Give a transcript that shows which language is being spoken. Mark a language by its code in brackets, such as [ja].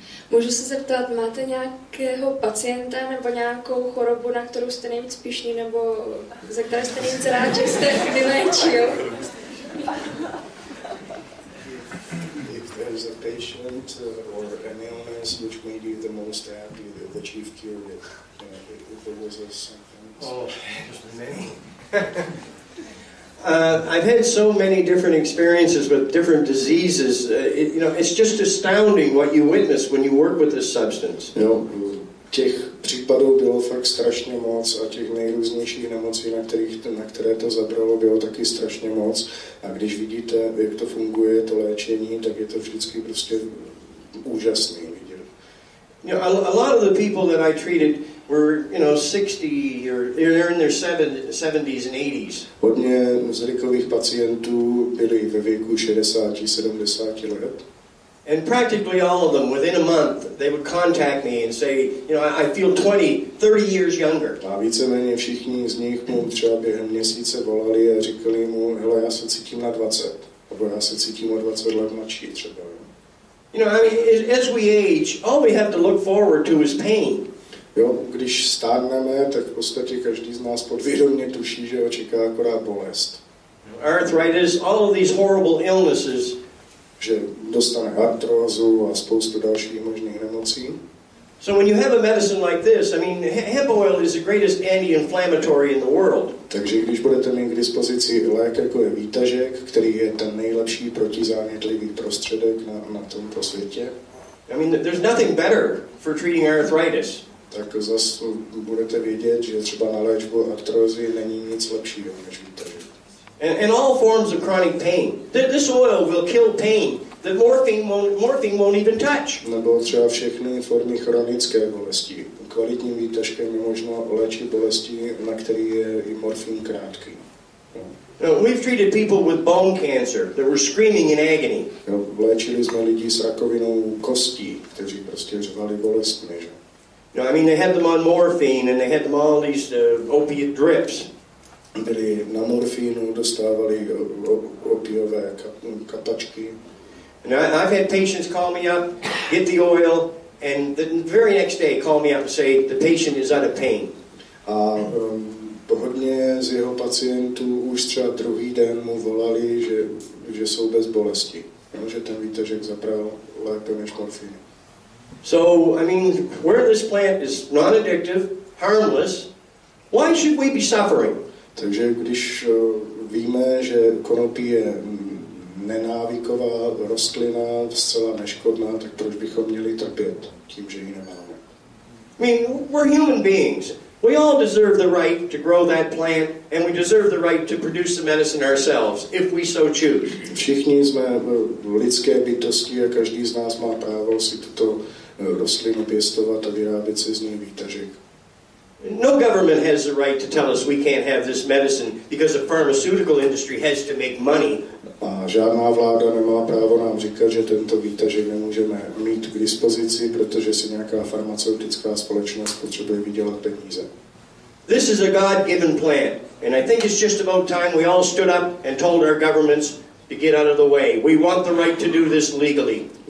[cs] Můžu se zeptat, máte nějakého pacienta nebo nějakou chorobu, na kterou jste nejvíc pyšný, nebo ze které jste nejvíc rád, že jste vyléčil? [en] If there's a patient or an illness which made you the most happy, the chief cure, if there was a symptom. I've had so many different experiences with different diseases. It's just astounding what you witness when you work with this substance. [cs] No, těch případů bylo fakt strašně moc a těch nejrůznějších nemocí, na které to zabralo, bylo taky strašně moc. A když vidíte, jak to funguje, to léčení, tak je to vždycky prostě úžasný vidět. [en] You know, a lot of the people that I treated were, you know, 60 or they're in their 70s and 80s. [cs] Hodně z rizikových pacientů byli ve věku 60, 70 let. [en] And practically all of them, within a month, they would contact me and say, you know, I feel 20, 30 years younger. [cs] A víceméně všichni z nich mu třeba během měsíce volali a říkali mu, hele, já se cítím na 20, nebo já se cítím o 20 let mladší třeba. [en] You know, I mean, as we age, all we have to look forward to is pain. [cs] Jo, když stárneme, tak v podstatě každý z nás podvědomě tuší, že ho čeká akorát bolest. [en] Arthritis, all of these horrible illnesses. [cs] Že dostane artrózu a spoustu dalších možných nemocí. [en] So when you have a medicine like this, I mean, hemp oil is the greatest anti-inflammatory in the world. [cs] Takže když budete mít k dispozici lék, jako je výtažek, který je ten nejlepší protizánětlivý prostředek na tomto světě. [en] I mean, there's nothing better for treating arthritis. [cs] Tak zase budete vědět, že třeba na léčbu artrózy není nic lepšího než výtažek. [en] And all forms of chronic pain. This oil will kill pain that morphine won't even touch. [cs] Nebo třeba všechny formy chronické bolesti. Kvalitním výtažkem je možno léčit bolesti, na které je i morfín krátký. [en] No, we've treated people with bone cancer that were screaming in agony. [cs] No, léčili jsme lidi s rakovinou kostí, kteří prostě řvali bolestně. [en] No, I mean, they had them on morphine, and they had them all these opiate drips. [cs] Byli na morfínu, dostávali opiové kapačky. [en] And I've had patients call me up, get the oil, and the very next day call me up and say, the patient is out of pain. [cs] A hodně z jeho pacientů už třeba druhý den mu volali, že jsou bez bolesti. No, že ten výtažek zapral lépe než morfín. [en] So, I mean, where this plant is non-addictive, harmless, why should we be suffering? [cs] Takže když víme, že konopí je nenávyková rostlina, zcela neškodná, tak proč bychom měli trpět tím, že ji nemáme? [en] I mean, we're human beings. We all deserve the right to grow that plant, and we deserve the right to produce the medicine ourselves, if we so choose. [cs] Všichni jsme lidské bytosti a každý z nás má právo si tuto rostlinu pěstovat a vyrábět si z ní výtažek. [en] No government has the right to tell us we can't have this medicine because the pharmaceutical industry has to make money. [cs] A žádná vláda nemá právo nám říkat, že tento výtažek nemůžeme mít k dispozici, protože si nějaká farmaceutická společnost potřebuje vydělat peníze. [en] This is a God-given plant, and I think it's just about time we all stood up and told our governments to get out of the way. We want the right to do this legally.